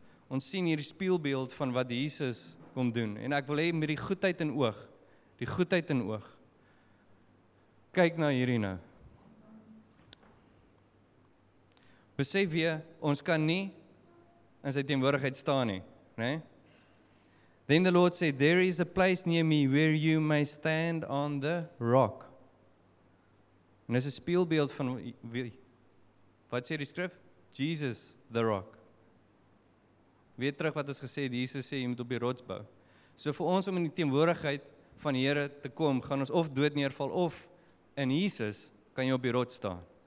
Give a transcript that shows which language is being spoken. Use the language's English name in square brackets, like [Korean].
[Afrikaans] Ons sien hierdie spieelbeeld van wat Jesus kom doen. En ek wil hê met die goedheid in oog, kyk na hierdie nou. Besef jy, ons kan nie in sy teenwoordigheid staan nie. Nee? [English] Then the Lord said, there is a place near me where you may stand on the rock. [Afrikaans] En dis 'n spieelbeeld van, wat sê die skrif? Jesus, [English] the rock. [Afrikaans] Weet terug wat ons gesê, Jesus sê, jy moet op die rots bou. So vir ons om in die teenwoordigheid van die Here te kom, gaan ons of dood neerval, of in Jesus kan jy op die rots staan.